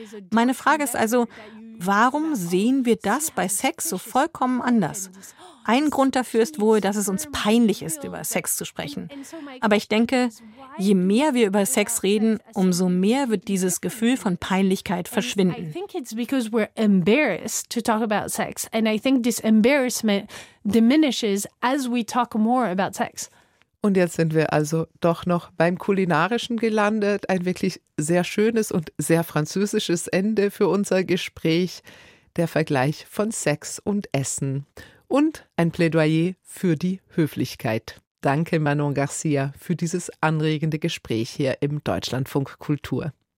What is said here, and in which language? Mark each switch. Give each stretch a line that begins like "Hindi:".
German: Meine Frage ist also, warum sehen wir das bei Sex so vollkommen anders? Ein Grund dafür ist wohl, dass es uns peinlich ist, über Sex zu sprechen. Aber ich denke, je mehr wir über Sex reden, umso mehr wird dieses Gefühl von Peinlichkeit verschwinden.
English: I think it's because we're embarrassed to talk about sex. And I think this embarrassment diminishes as we talk more about sex.
German: Und jetzt sind wir also doch noch beim Kulinarischen gelandet. Ein wirklich sehr schönes und sehr französisches Ende für unser Gespräch. Der Vergleich von Sex und Essen. Und ein Plädoyer für die Höflichkeit. Danke, Manon Garcia, für dieses anregende Gespräch hier im Deutschlandfunk Kultur.